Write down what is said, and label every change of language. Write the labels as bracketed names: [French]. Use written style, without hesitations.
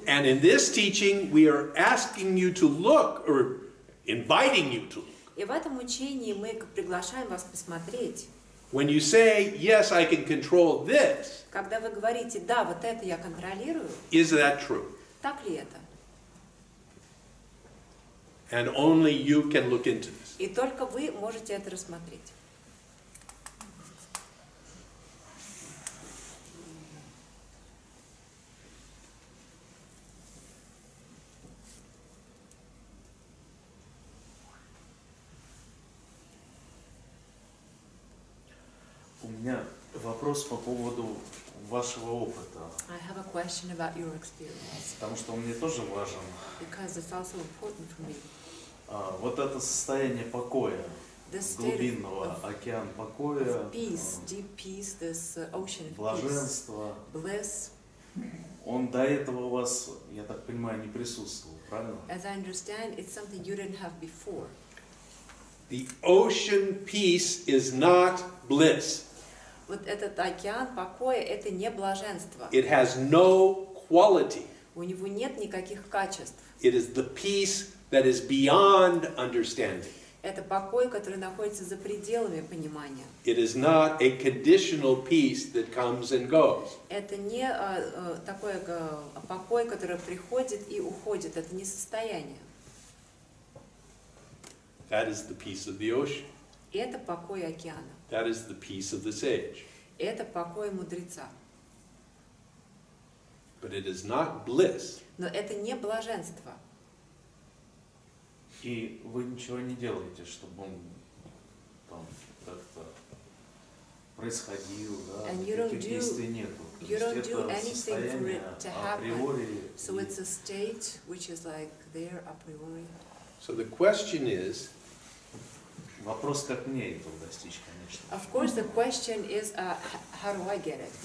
[English] And in this teaching, we are asking you to look, or inviting you to look. [Russian] И в этом учении мы приглашаем вас посмотреть. [English] When you say, yes, I can control this, [Russian] когда вы говорите, да, вот это я контролирую, [English] is that true? [Russian] Так ли это? [English] And only you can look into this. [Russian] И только вы можете это рассмотреть. меня вопрос по поводу вашего опыта. [English] I have a question about your experience. [Russian] Потому что он мне тоже важен. [English] Because it's also important for me. [Russian] Вот это состояние покоя, глубинного, океан покоя, [English] peace, deep peace, this ocean [Russian] блаженство, [English] bliss. [Russian] Он до этого у вас, я так понимаю, не присутствовал, правильно? [English] As I understand, it's something you didn't have before. The ocean peace is not bliss. [Russian] Вот этот океан покоя, это не блаженство. [English] It has no quality. [Russian] У него нет никаких качеств. [English] It is the peace that is beyond understanding. [Russian] Это покой, который находится за пределами понимания. [English] It is not a conditional peace that comes and goes. [Russian] Это не такой покой, который приходит и уходит. Это не состояние. [English] That is the peace of the ocean. [Russian] Это покой океана. [English] That is the peace of the sage. [Russian] Это покой мудреца. [English] But it is not bliss. [Russian] Но это не блаженство. И вы ничего не делаете, чтобы он там как-то происходил, да? Никаких действий нету. [English] You don't do anything for it to happen. So it's a state which is like there a priori. So the question is. [Russian] Вопрос, как мне этого достичь, конечно. [English] Of course, the question is, how do I get it?